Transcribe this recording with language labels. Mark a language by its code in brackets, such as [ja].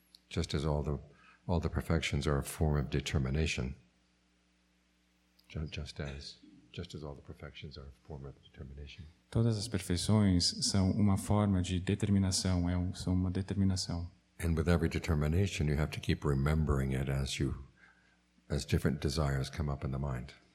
[en] Just as all the perfections are a form of determination. Just as all the perfections are a form of determination. [pt] Todas as perfeições são uma forma de determinação, são uma determinação. [en] And with every determination, you have to keep remembering it as different desires come up in the mind.